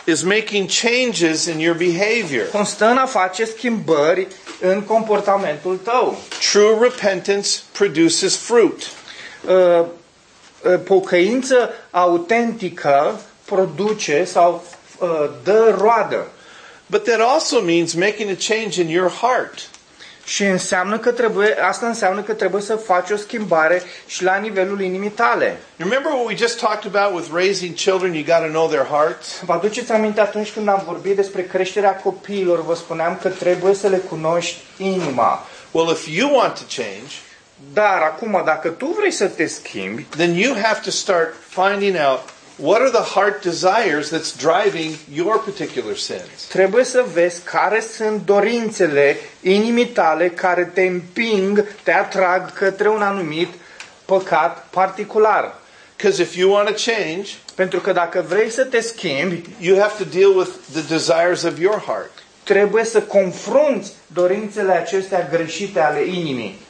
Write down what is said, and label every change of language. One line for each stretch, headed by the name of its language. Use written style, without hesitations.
English: is making changes in your behavior.
Romanian: Constă în a face schimbări în comportamentul tău.
English: True repentance produces fruit.
Romanian: Pocăință autentică produce sau dă roadă.
English: But that also means making a change in your heart.
Romanian: Și înseamnă că trebuie, asta înseamnă că trebuie să faci o schimbare și la nivelul inimii tale.
English: Remember what we just talked about with raising children, you got to know their hearts.
Romanian: Vă aduceți aminte atunci când am vorbit despre creșterea copiilor, vă spuneam că trebuie să le cunoști inima.
English: Well, if you want to change,
Romanian: dar acum dacă tu vrei să te schimbi,
English: then you have to start finding out what are the heart desires that's driving your particular sins?
Romanian: Trebuie să vezi care sunt dorințele inimii tale care te împing, te atrag către un anumit păcat particular.
English: Because if you want to change,
Romanian: pentru că dacă vrei să te schimbi,
English: you have to deal with the desires of your heart.
Romanian: Trebuie să confrunți dorințele acestea greșite ale inimii.